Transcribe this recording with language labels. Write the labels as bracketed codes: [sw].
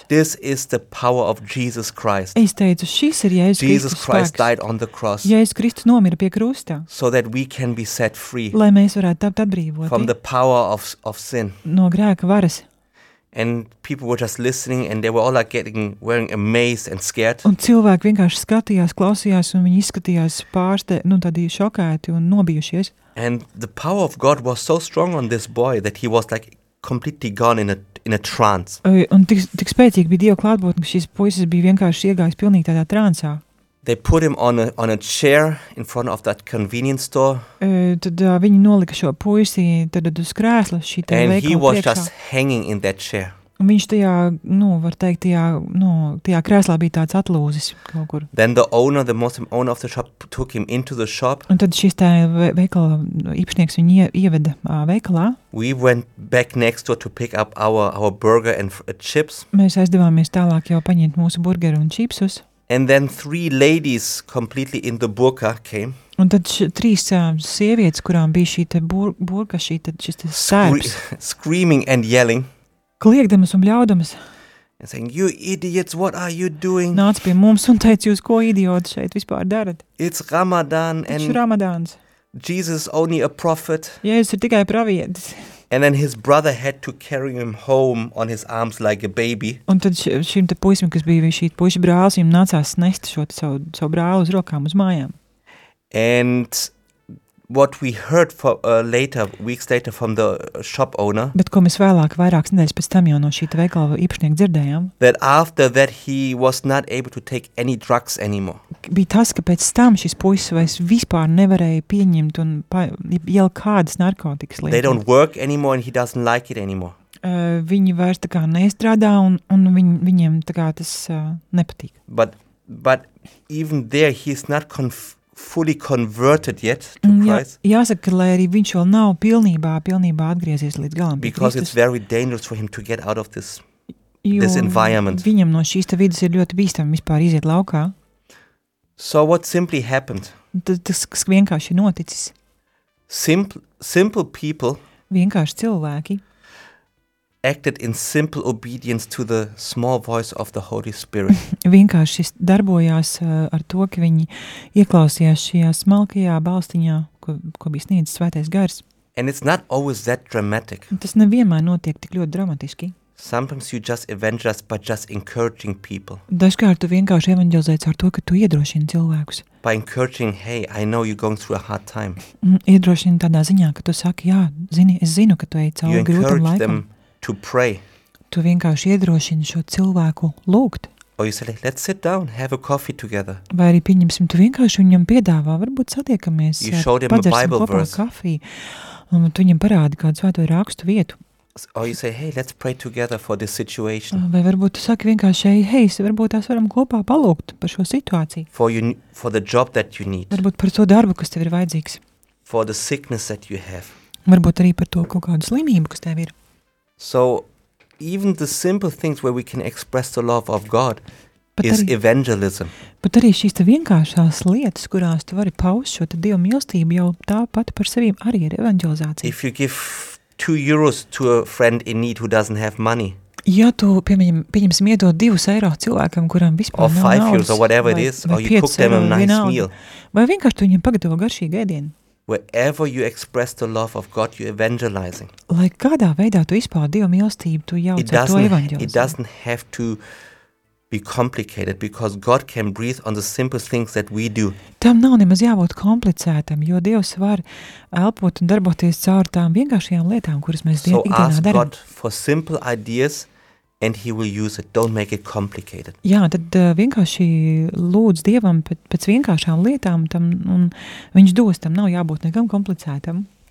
[en] I said, this is the power of Jesus Christ. [lv] Es teicu, šis ir Jēzus Kristus [en] Jesus Christ died on the cross. [lv] Jēzus Kristus nomira pie krusta. [en] So that we can be set free. [lv] Lai mēs varētu tapt atbrīvoti. [en] From the power of sin. [lv] No grēka varas. [en] And people were just listening and they were all like getting wearing amazed and scared. [lv] Un cilvēki vienkārši skatījās, klausījās un viņi izskatījās pārste, nu tādī šokēti un nobijušies. [en] And the power of God was so strong on this boy that he was like completely gone in a trance. [lv] Un tik spēcīgi bija Dieva klātbūtne, ka šis puisis bija vienkārši iegājis pilnīgi tādā trancā. [en] They put him on a chair in front of that convenience store. [lv] Tad viņi nolika šo puisi tad uz krēsla šī tā veikala priekšā. [en] And he was just hanging in that chair. [lv] Un viņš tajā, nu, var teikt, tajā krēslā bija tāds atlūzis kaut kur. [en] Then the owner, the Muslim owner of the shop took him into the shop. [lv] Un tad šis tā veikala īpašnieks viņu ieveda veikalā. [en] We went back next door to pick up our burger and chips. [lv] Mēs aizdevāmies tālāk jau paņemt mūsu burgeru un čipsus. [en] And then three ladies completely in the burka came. [lv] Un tad trīs sievietes, kurām bija šī te burka, šī tad šis te sēps. [en] Screaming and yelling. [lv] Kliekdamas un bļaudamas. [en] And saying, you idiots, what are you doing? [lv] Nāc pie mums un teica, jūs ko idioti šeit vispār darat? [en] It's Ramadan. [lv] Taču Ramadāns. [en] Jesus only a prophet. [lv] Jēzus ir tikai pravietis. [en] And then his brother had to carry him home on his arms like a baby. [lv] Un tad šim te puisim, kas bija šī puiša brālis, viņam nācās nest šo savu brālu uz rokām uz mājām. [en] And what we heard for later, weeks later from the shop owner. [lv] Bet ko mēs vēlāk vairākas nedēļas pēc tam jau no šī veikala īpašnieka dzirdējām. [en] That after that he was not able to take any drugs anymore. [lv] Bija tas, ka pēc tam šis puisis vairs vispār nevarēja pieņemt un jau kādas narkotikas lietas. [en] They don't work anymore and he doesn't like it anymore. [lv] Viņi vairs tā kā nestrādā un viņiem tā kā tas nepatīk. [en] But even there he's not fully converted yet to Christ. [lv] Jāsaka, ka, lai arī viņš vēl nav pilnībā atgriezies līdz galam. [en] Because it's very dangerous for him to get out of this environment. [lv] Viņam no šīs te vidas ir ļoti bīstami vispār iziet laukā. [en] So what simply happened? [lv] Tas vienkārši noticis. [en] Simple people [lv] vienkārši cilvēki [en] acted in simple obedience to the small voice of the Holy Spirit. [lv] Vienkārši darbojās ar to, ka viņi ieklausījās šajā smalkajā balstiņā, ko bija sniedzis Svētais Gars. [en] And it's not always that dramatic. [lv] Tas nevienmēr notiek tik ļoti dramatiski. [en] Sometimes you just evangelize by just encouraging people. [lv] Dažkārt tu vienkārši evangelizēts ar to, ka tu iedrošini cilvēkus. [en] By encouraging, hey, I know you're going through a hard time. [lv] Iedrošini tādā ziņā, ka tu saki, jā, zini, es zinu, ka tu eji cauri grūtam laikam. [en] To pray. [lv] Tu vienkārši iedrošini šo cilvēku lūgt. [en] Or you say, let's sit down, have a coffee together. [lv] Vai arī pieņemsim, tu vienkārši viņam piedāvā, varbūt satiekamies, padzersim kopā kafiju. Un tu viņam parādi kādu svēto rakstu vietu. [en] Or you say, hey, let's pray together for this situation. [lv] Vai varbūt tu saki vienkārši, hey, varbūt tās varam kopā palūgt par šo situāciju. [en] For the job that you need. [lv] Varbūt par to darbu, kas tev ir vajadzīgs. [en] For the sickness that you have. [lv] Varbūt arī par to kaut kādu slimību, kas tev ir. [en] So even the simple things where we can express the love of God is evangelism. [lv] Bet arī šīs te vienkāršās lietas, kurās tu vari paust šo Dieva mīlestību, jau tāpat par sevīm arī ir evangelizācija. [en] If you give 2 euros to a friend in need who doesn't have money. [lv] Ja tu, pieņemsim, iedod 2 eiro cilvēkam, kuram vispār nav naudas. [en] Or 5 euros or whatever it is, or you cook them a nice meal. [lv] Vai vienkārši tu viņam pagatavo garšīgu ēdienu. [en] Wherever you express the love of God, you're evangelizing. [lv] Lai kādā veidā tu izpaudi Dieva mīlestību, tu jau ar to evangelizē. [en] It doesn't have to be complicated because God can breathe on the simple things that we do. [lv] Tam nav nemaz jābūt komplicētam, jo Dievs var elpot un darboties caur tām vienkāršajām lietām, kuras mēs Dievu ikdienā darām. [en] So ask God for simple ideas and he will use it. Don't make it complicated. [lv] Jā, tad vienkārši lūdz Dievam pēc vienkāršām lietām, tam, un viņš dos, tam nav jābūt nekam komplicētam.